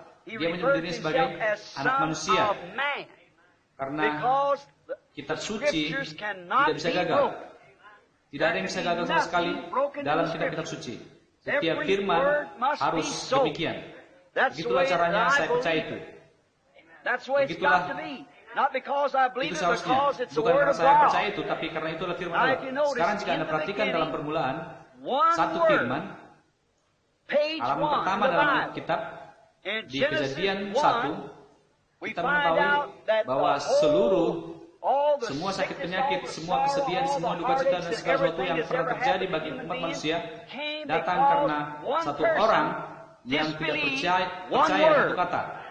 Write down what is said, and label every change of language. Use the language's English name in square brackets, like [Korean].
[Indonesian] Dia menyebut dirinya sebagai anak manusia. Karena kitab suci tidak bisa gagal. Tidak ada yang bisa gagal sama sekali dalam kitab-kitab suci. Setiap firman harus demikian. Begitulah caranya, saya percaya itu. Begitulah. [English] Not because I believe it, because it's the word of God. [Indonesian] Bukan karena saya percaya itu, tapi karena itulah firman Allah. Sekarang jika Anda perhatikan dalam permulaan, satu firman, halaman pertama dalam kitab, di Kejadian 1, kita mengetahui bahwa seluruh, semua sakit penyakit, semua kesedihan, semua duka cita, dan segala sesuatu yang pernah terjadi bagi umat manusia, datang karena satu orang yang tidak percaya satu kata.